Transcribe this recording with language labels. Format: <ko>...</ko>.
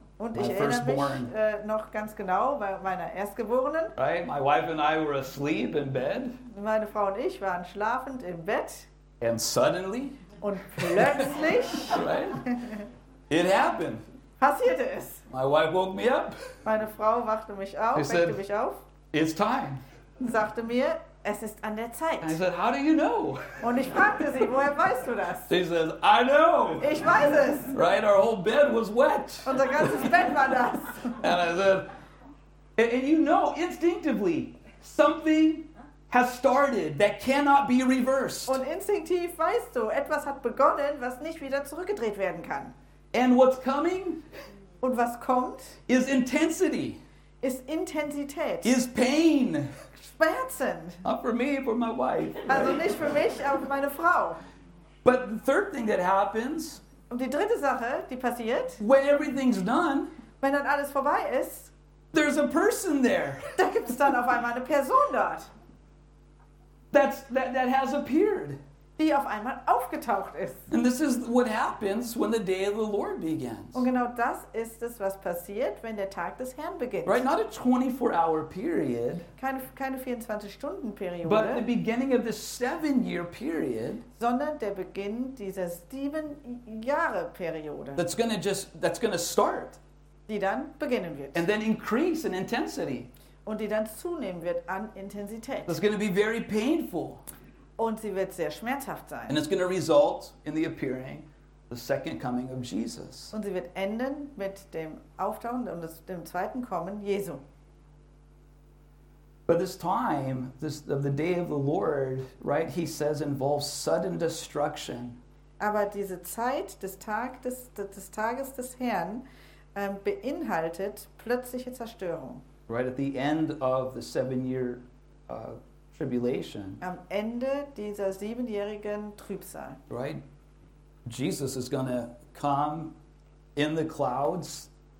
<de>Und ich erinnere mich noch ganz genau bei meiner Erstgeborenen.</de> <en>Right, my wife and I were asleep in bed.</en> <de>Meine Frau und ich waren schlafend im Bett.</de> <en>And suddenly.</en> <de>Und plötzlich.</de> <en>Right. It happened.</en> <de>Passierte es.</de> <en>My wife woke me up.</en> <de>Meine Frau wachte mich auf.</de> <en>She said,</en> <de>weckte mich auf.</de> <en>It's time.</en> <de>Sagte mir, es ist an der Zeit.</de> <en>And I said, how do you know?</en> <de>Und ich fragte sie, woher weißt du das?</de> <en>She says, I know.</en> <de>Ich weiß es.</de> <en>Right, our whole bed was wet.</en> <de>Unser ganzes Bett war nass.</de> <en>And I said, and you know instinctively, something has started that cannot be reversed.</en> <de>Und instinktiv weißt du, etwas hat begonnen, was nicht wieder zurückgedreht werden kann.</de> <en>And what's coming?</en> <de>Und was kommt?</de> <en>Is intensity.</en> <de>Ist Intensität.</de> <en>Is pain.</en> <de>Schmerzen.</de> <en>Not for me, for my wife.</en> <de>Also nicht für mich, aber für meine Frau.</de> <en>But the third thing that happens.</en> <de>Und die dritte Sache, die passiert.</de> <en>When everything's done.</en> <de>Wenn dann alles vorbei ist.</de> <en>There's a person there.</en> <de>Da gibt es dann auf einmal eine Person dort.</de> <en>That has appeared.</en> <de>Die auf einmal aufgetaucht ist.</de> <en>And this is what happens when the day of the Lord begins.</en> <de>Und genau das ist es, was passiert, wenn der Tag des Herrn beginnt.</de> <en>Right, not a 24-hour period.</en> <de>Keine 24-Stunden-Periode.</de> <en>But the beginning of this 7-year period.</en> <de>Sondern der Beginn dieser 7-Jahre-Periode.</de> <en>That's gonna start.</en> <de>Die dann beginnen wird.</de> <en>And then increase in intensity.</en> <de>Und die dann zunehmen wird an Intensität.</de> <en>That's gonna be very painful.</en> <de>Und sie wird sehr schmerzhaft sein.</de> <en>And it's going to result in the appearing, the second coming of Jesus.</en> <de>Und sie wird enden mit dem Auftauchen und dem zweiten Kommen Jesu.</de> <en>But this time, this of the day of the Lord, right? He says involves sudden destruction.</en> <de>Aber diese Zeit des Tag des Tages des Herrn beinhaltet plötzliche Zerstörung.</de> <en>Right at the end of the 7-year. Tribulation.</en> <de>Am Ende dieser 7-jährigen Trübsal.</de> <en>Right? Jesus is going to come in the clouds.</en>